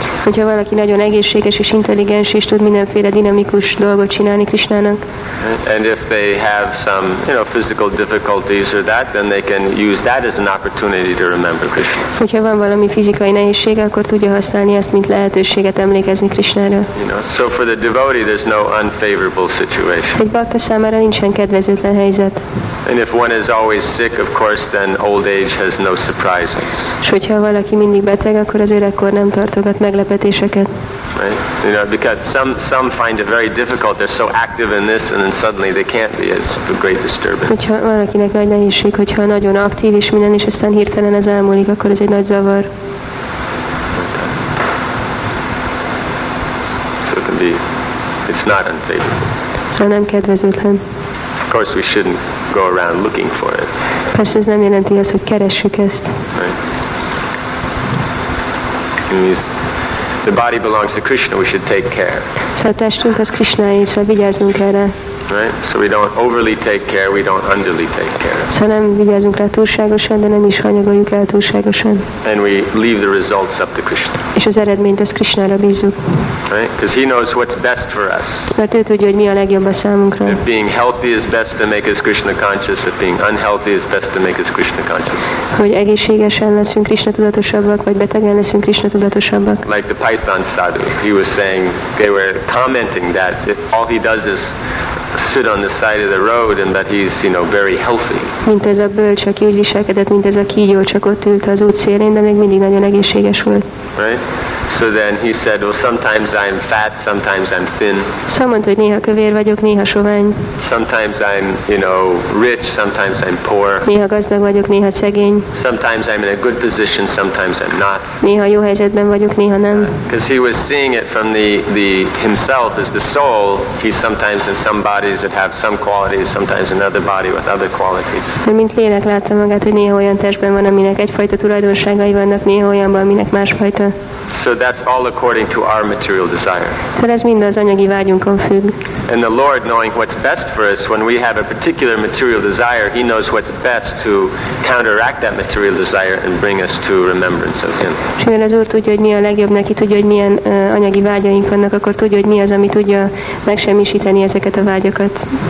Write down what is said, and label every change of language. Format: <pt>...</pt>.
<hu>Hogyha valaki nagyon egészséges és intelligens, és tud mindenféle dinamikus dolgot csinálni Krishnának.</hu> <en>And if they have some physical difficulties or that, then they can use that as an opportunity to remember Krishna.</en> <hu>Hogyha van valami fizikai nehézség, akkor tudja használni ezt, mint lehetőséget emlékezni Krishnára.</hu> <en>So for the devotee, there's no unfavorable situation.</en> <hu>Egy bakta számára nincsen kedvezőtlen helyzet.</hu> <en>And if one is always sick, of course, then old age has no surprises.</en> <hu>És hogyha valaki mindig beteg, akkor az öregkor nem tartogat meglepetéseket.</hu> <en>Right? Because some find it very difficult. They're so active in this, and then suddenly they can't be. It's a great disturbance.</en> <hu>Hogyha valakinek nagy nehézség, hogyha nagyon aktív és minden, és aztán hirtelen ez elmúlik, akkor ez egy nagy zavar.</hu> <en>So it can be. It's not unfavorable.</en> <hu>Szóval nem kedvezőtlen.</hu> <en>Of course, we shouldn't go around looking for it.</en> <hu>Persze ez nem jelenti azt, hogy keressük ezt.</hu> <en>Right. The body belongs to Krishna. We should take care.</en> <hu>Szóval testünk az Krishnáé, szóval vigyázzunk erre.</hu> <en>Right. So we don't overly take care. We don't underly take care.</en> <hu>Szóval nem vigyázzunk rá túlságosan, de nem is hanyagoljuk el túlságosan.</hu> <en>And we leave the results up to Krishna.</en> <hu>És az eredményt az Krishnára bízzuk.</hu> <en>Right? Because he knows what's best for us.</en> <hu>Mert ő tudja, hogy mi a legjobb a számunkra.</hu> <en>If being healthy is best to make us Krishna conscious, if being unhealthy is best to make us Krishna conscious.</en> <hu>Hogy egészségesen leszünk Krishna tudatosabbak, vagy betegen leszünk Krishna tudatosabbak.</hu> <en>Like the Python sadhu, he was saying, they were commenting that if all he does is sit on the side of the road, and that he's very healthy.</en> <hu>Mint ez a bölcs, aki úgy viselkedett, mint ez a kígyó, csak ott ült az út szélén, de még mindig nagyon egészséges volt.</hu> <en>Right? So then he said, well, sometimes I'm fat, sometimes I'm thin.</en> <hu>Szóval mondta, hogy néha kövér vagyok, néha sovány.</hu> <en>Sometimes I'm, rich, sometimes I'm poor.</en> <hu>Néha gazdag vagyok, néha szegény.</hu> <en>Sometimes I'm in a good position, sometimes I'm not.</en> <hu>Néha jó helyzetben vagyok, néha nem.</hu> <en>Because he was seeing it from the himself as the soul. He's sometimes in some bodies that have some qualities, sometimes another body with other qualities.</en> <hu>De mint lélek látta magát, hogy néha olyan testben van, aminek egyfajta tulajdonságai vannak, néha olyanban, aminek másfajta.</hu> <en>So that's all according to our material desire.</en> <hu>Szóval ez mind az anyagi vágyunkon függ.</hu> <en>And the Lord, knowing what's best for us, when we have a particular material desire, he knows what's best to counteract that material desire and bring us to remembrance of him.</en> <hu>És mivel az Úr tudja, hogy mi a legjobb neki, tudja, hogy milyen anyagi vágyaink vannak, akkor tudja, hogy mi az, ami tudja megsemmisíteni ezeket a vágyakat.</hu>